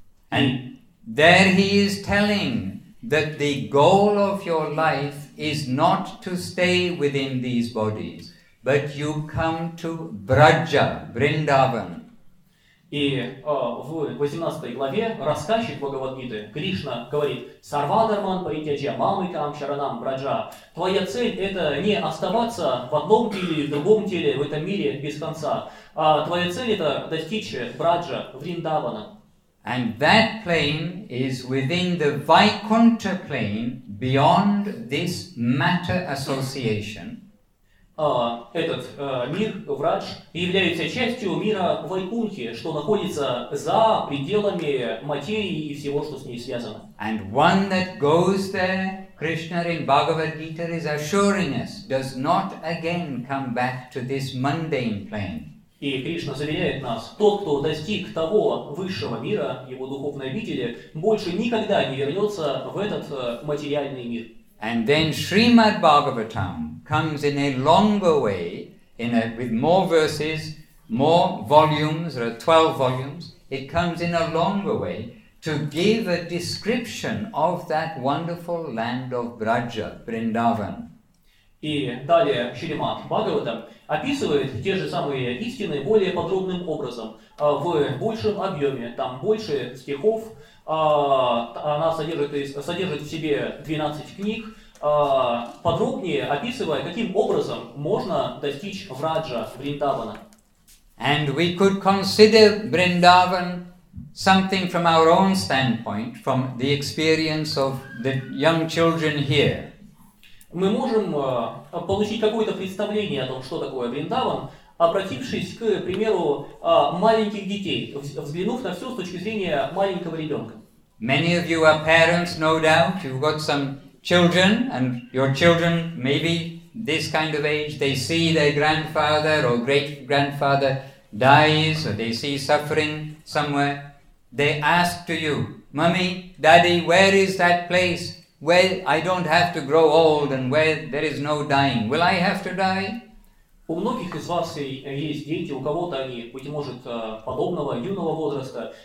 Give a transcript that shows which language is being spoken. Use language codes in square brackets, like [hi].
[en] And there he is telling that the goal of your life is not to stay within these bodies, but you come to Braja, Vrindavan. [ru] И в 18 главе рассказчик Бхагавад-гиты Кришна говорит: [sa] «Сарвадарман паритяджа мамыкам шаранам браджа». [ru] Твоя цель — это не оставаться в одном или в другом теле в этом мире без конца, а твоя цель — это достичь браджа, Вриндавана. [en] And that plane is within the Vaikuntha plane, beyond this matter association. [ru] Этот мир, врач, является частью мира Вайкунхи, что находится за пределами материи и всего, что с ней связано. [en] And one that goes there, Krishna in Bhagavad Gita is assuring us, does not again come back to this mundane plane. [ru] И Кришна заверяет нас, тот, кто достиг того высшего мира, его духовной обители, больше никогда не вернется в этот материальный мир. [en] And then Srimad Bhagavatam comes in a longer way, with more verses, more volumes, there are 12 volumes, it comes in a longer way to give a description of that wonderful land of Braja, Vrindavan. [ru] И далее Шримад Бхагаватам описывает те же самые истины более подробным образом, в большем объеме, там больше стихов. Она содержит в себе 12 книг, подробнее описывая, каким образом можно достичь Враджа, Вриндавана. [en] And we could consider Vrindavan something from our own standpoint, from the experience of the young children here. [ru] Мы можем получить какое-то представление о том, что такое Вриндаван, обратившись к примеру маленьких детей, взглянув на все с точки зрения маленького ребенка. [en] Many of you are parents, no doubt. You've got some children, and your children, maybe this kind of age, they see their grandfather or great-grandfather dies, or they see suffering somewhere. They ask to you, Mummy, Daddy, where is that place where I don't have to grow old and where there is no dying? Will I have to die? [ru] У многих из вас есть дети, у кого-то они, быть может, подобного юного возраста.